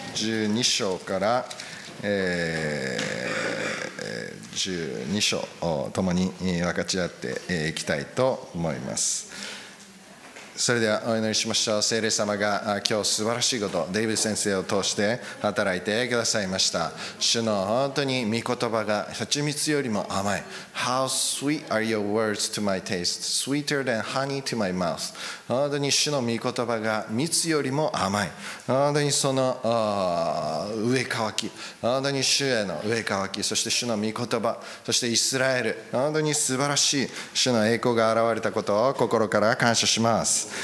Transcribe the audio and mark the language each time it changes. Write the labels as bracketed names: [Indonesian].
[Japanese] 12章から、12章を共に分かち合っていきたいと思います。それではお祈りしましょう。聖霊様が今日素晴らしいことデイビッド先生を通して働いてくださいました。主の本当に御言葉が蜂蜜よりも甘い。 [English] How sweet are your words to my taste, sweeter than honey to my mouth。 [Japanese] 本当に主の御言葉が蜜よりも甘い。本当にその上渇き、本当に主への上渇き、そして主の御言葉、そしてイスラエル、本当に素晴らしい主の栄光が現れたことを心から感謝します。